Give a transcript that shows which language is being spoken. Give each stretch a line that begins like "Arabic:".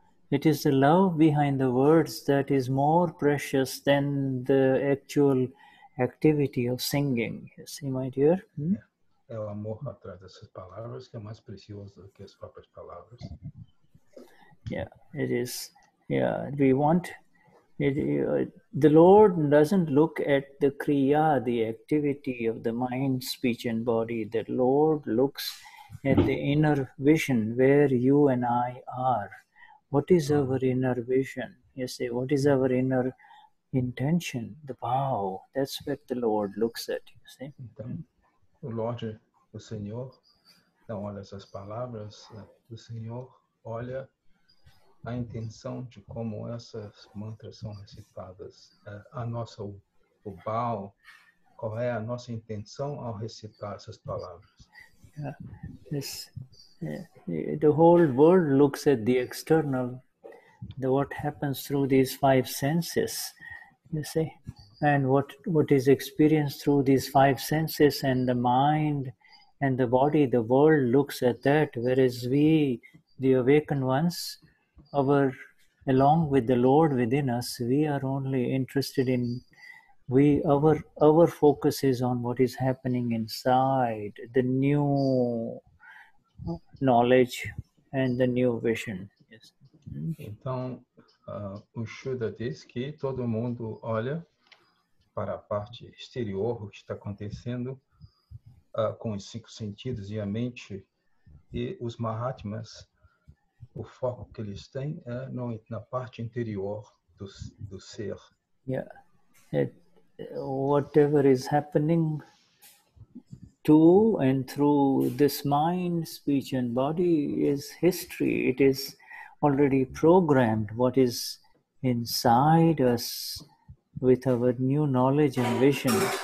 English: It is the love behind the words that is more precious than the actual activity of singing. You see, my dear?
Portuguese: É o amor atrás dessas palavras que é mais precioso do que as próprias palavras.
English: Yeah, it is. Yeah, we want. The Lord doesn't look at the kriya, the activity of the mind, speech, and body. The Lord looks at the inner vision where you and I are. What is our inner vision? You say, what is our inner intention? The bhav. That's what the Lord looks at, you see.
Portuguese: Então, o Lorde, o Senhor, não olha essas palavras. O Senhor olha a intenção de como essas mantras são recitadas. A nossa, o bhav, qual é a nossa intenção ao recitar essas palavras?
English: Yes. The whole world looks at the external, the what happens through these five senses, you see, and what is experienced through these five senses and the mind and the body, the world looks at that, whereas we, the awakened ones, our, along with the Lord within us, we are only interested in, our focus is on what is happening inside, the new knowledge and the new vision. Yes.
Portuguese: Então, o Shuddha diz que todo mundo olha para a parte exterior, o que está acontecendo com os cinco sentidos e a mente, e os Mahatmas, o foco que eles têm é no, na parte interior do ser.
English: Yeah. Whatever is happening to and through this mind, speech, and body is history. It is already programmed what is inside us with our new knowledge and vision.